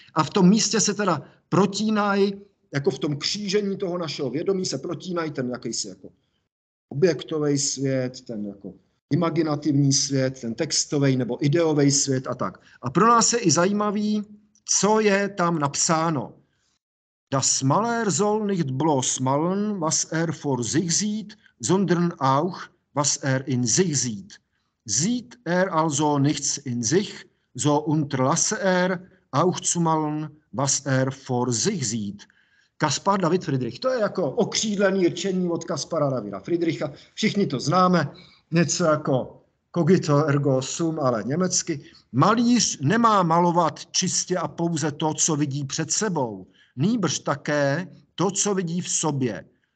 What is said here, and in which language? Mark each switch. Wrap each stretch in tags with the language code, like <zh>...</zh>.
<cs>A v tom místě se teda protínají, jako v tom křížení toho našeho vědomí se protínají ten jakýsi jako objektový svět, ten jako imaginativní svět, ten textový nebo ideový svět a tak. A pro nás je i zajímavý, co je tam napsáno.</cs> <de>Das Maler soll nicht bloß malen, was vor sich sieht, sondern auch, was in sich sieht. Sieht also nichts in sich, so unterlasse auch zu malen, was vor sich sieht.</de> <cs>Kaspar David Friedrich, to je jako okřídlený rčení od Kaspara Davida Friedricha, všichni to známe, něco jako</cs> <la>cogito ergo sum,</la> <cs>ale německy. Malíř nemá malovat čistě a pouze to, co vidí před sebou, nýbrž také to, co vidí v sobě.</cs>